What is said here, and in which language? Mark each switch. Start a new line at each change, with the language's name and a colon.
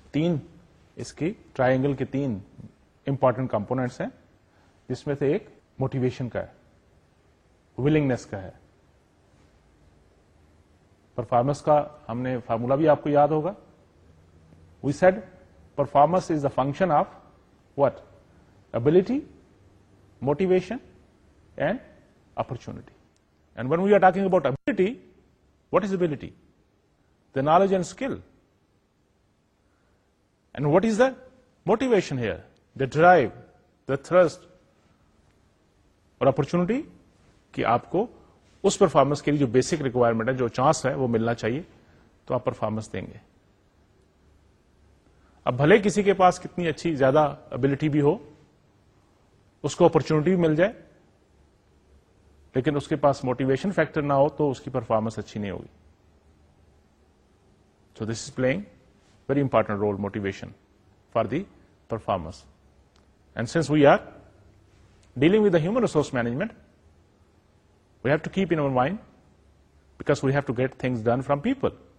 Urdu: Teen, iski triangle ke teen important components hain, jismein se ek motivation کا ہے, willingness کا ہے, performance کا ہم نے فارمولا بھی آپ کو یاد ہوگا.
English: We said performance is the function of what, ability, motivation and opportunity. And when we are talking about ability, what is ability? The knowledge and skill. And what is the motivation here? the drive, the thrust
Urdu: اور opportunity کہ آپ کو اس performance کے لیے جو basic requirement ہے جو chance ہے وہ ملنا چاہیے تو آپ performance دیں گے. اب بھلے کسی کے پاس کتنی اچھی زیادہ ability بھی ہو اس کو opportunity بھی مل جائے لیکن اس کے پاس motivation factor نہ ہو تو اس کی performance اچھی نہیں ہوگی.
English: So this is playing very important role, motivation for the performers. And since we are dealing with the human resource management, we have to keep in our mind because we have to get things done from people.